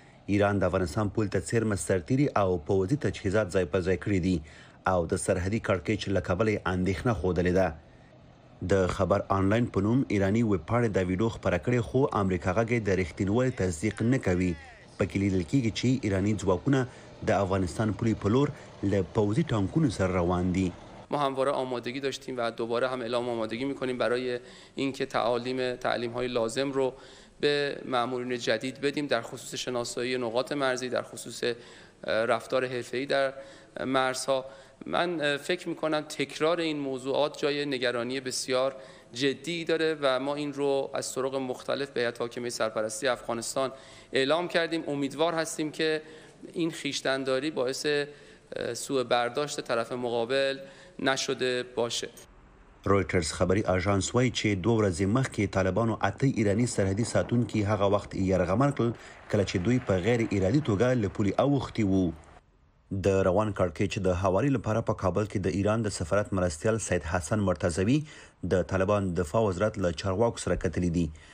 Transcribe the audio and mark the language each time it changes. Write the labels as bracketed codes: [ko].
[ps] ایران د افغانستان پول ته څیرمه سرتیری او پوځي تجهیزات ځای پر ځای کړي دي او د سرحدي کړکیچ له کبله اندېښنه ښودلې ده. د خبر آنلاین په نوم ایرانی ویب پاڼې دا ویډیو خپره کړې، خو امریکا غږ یې د رښتینولۍ تصدیق نه کوي. په کې لیدل کېږي چې ایرانی ځواکونه د افغانستان پولې په لور له پوځي ټانکونو سره روان دي. [fa] ما همواره آمادگی داشتیم و دوباره هم اعلام آمادگی میکنیم برای اینکه تعلیم‌های لازم رو به مامورین جدید بدیم، در خصوص شناسایی نقاط مرزی، در خصوص رفتار حرفه‌ای در مرزها. من فکر میکنم تکرار این موضوعات جای نگرانی بسیار جدی داره و ما این رو از طرق مختلف به هیئت حاکمه سرپرستی افغانستان اعلام کردیم. امیدوار هستیم که این خویشتنداری باعث سوء برداشت طرف مقابل نشده باشه. [ps] رویترز خبری آژانس وای چې دو ورځې مخکې طالبانو اته ایرانی سرحدي ساتونکو هغه وخت یرغمل کړ کله چې دوی په غیر ارادي توګه له پولې اوختي وو. د روان کړکیچ د هواري لپاره په کابل کې د ایران د سفارت مرستیال سید حسن مرتضوی د طالبان دفاع وزارت له چارواکو سره کتلی دي.